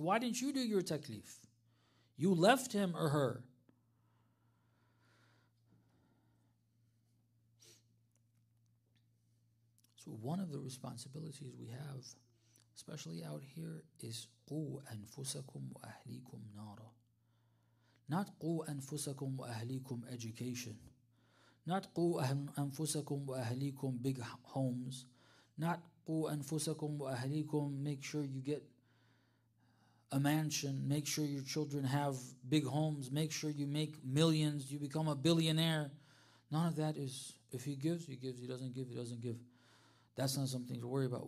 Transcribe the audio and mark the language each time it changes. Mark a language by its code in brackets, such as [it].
[en] Why didn't you do your taklif? You left him or her. So one of the responsibilities we have, especially out here, is [ar] قُوْ أَنفُسَكُمْ وَأَهْلِيكُمْ نَارًا. [en] Not [ar] قُوْ أَنفُسَكُمْ وَأَهْلِيكُمْ [en] education. Not قُوْ أَنفُسَكُمْ وَأَهْلِيكُمْ big homes. Not [ar] قُوْ أَنفُسَكُمْ وَأَهْلِيكُمْ [en] make sure you get a mansion, make sure your children have big homes, make sure you make millions, you become a billionaire. None of that is, if he gives, he gives, he doesn't give, he doesn't give. That's not something to worry about.